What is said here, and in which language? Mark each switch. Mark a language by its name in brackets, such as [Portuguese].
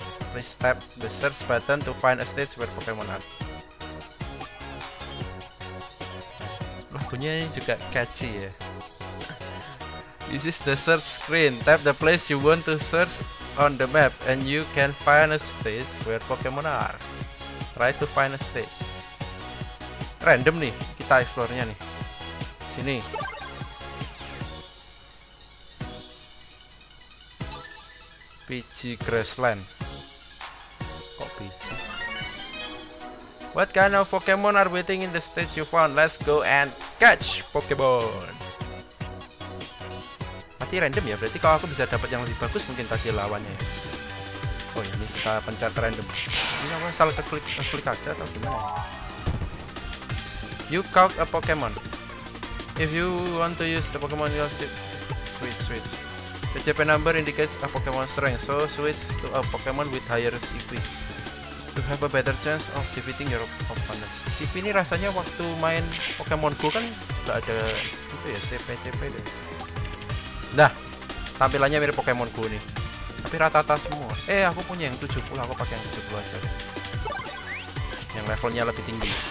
[English] Please tap the search button to find a stage where Pokemon are. [Indonesian] Lagunya ini juga catchy ya. [English] This is the search screen. Tap the place you want to search on the map and you can find a stage where Pokemon are. Try to find a stage. [Indonesian] Random nih, kita explore-nya nih. Sini. PG Grassland. Kok PG? [English] What kind of Pokemon are waiting in the stage you found? Let's go and catch Pokemon. [Indonesian] Mati random ya, berarti kalau aku bisa dapat yang lebih bagus mungkin tadi lawannya. Oh ini kita pencet random. Ini apa, salah ke-klik aja atau gimana? [English] You caught a Pokemon. If you want to use the Pokemon, you'll switch. The CP number indicates a Pokemon strength, so switch to a Pokemon with higher CP to have a better chance of defeating your opponents. [Indonesian] CP ini rasanya waktu main Pokemon Go kan gak ada itu ya, CP deh. Nah, tampilannya mirip Pokemon Go nih. Tapi rata-rata semua. Aku punya yang 70, aku pakai yang 70 aja deh. Yang levelnya lebih tinggi.